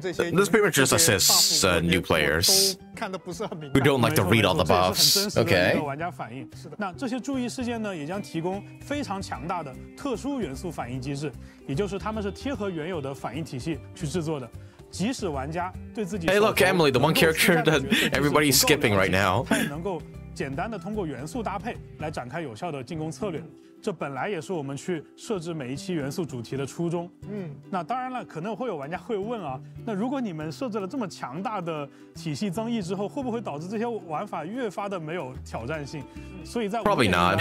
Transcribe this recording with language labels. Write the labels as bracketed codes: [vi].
[en] this pretty much just assists new players who don't like to read all the buffs. [zh] Okay.那这些注意事件呢，也就是他们是贴合原有的反应体系去制作的。 [en] Hey, look, Emily, the one character that everybody's skipping right now. Probably not.